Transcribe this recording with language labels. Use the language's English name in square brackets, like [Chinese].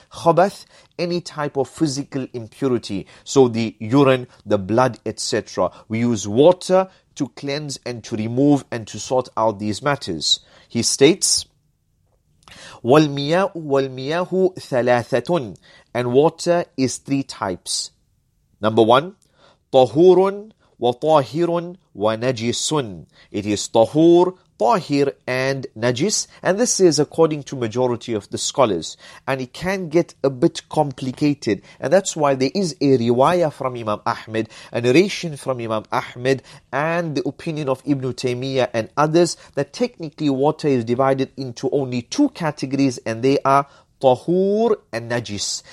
[English] Khabath, any type of physical impurity. So the urine, the blood, etc. We use water to cleanse and to remove and to sort out these matters. He states, [Arabic] وَالْمِيَاهُ ثَلَاثَةٌ. [English] And water is three types. Number one, [Arabic] طَهُورٌ وَطَاهِرٌ وَنَجِسٌ. [English] It is طَهُور, طَاهِر and نَجِس. And this is according to majority of the scholars. And it can get a bit complicated. And that's why there is a riwayah from Imam Ahmed, a narration from Imam Ahmed, and the opinion of Ibn Taymiyyah and others, that technically water is divided into only two categories, and they are Tahur and Najis.